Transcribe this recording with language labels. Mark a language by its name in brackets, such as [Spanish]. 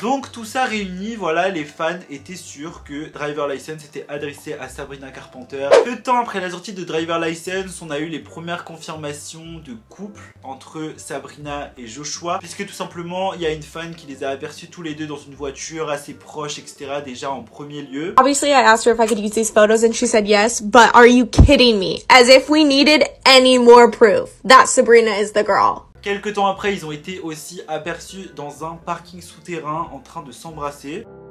[French] Donc tout ça réuni, voilà, les fans étaient sûrs que Driver License était adressé à Sabrina Carpenter. Peu de temps après la sortie de Driver License, on a eu les premières confirmations de couple entre Sabrina et Joshua, puisque tout simplement, il y a une fan qui les a aperçus tous les deux dans une voiture assez proche, etc., déjà en premier lieu. [English] Obviously, I asked her if I could use these photos and she said yes, but are you kidding me? As if we needed any more proof that Sabrina is the girl. [French] Quelques temps après, ils ont été aussi aperçus dans un parking souterrain en train de s'embrasser.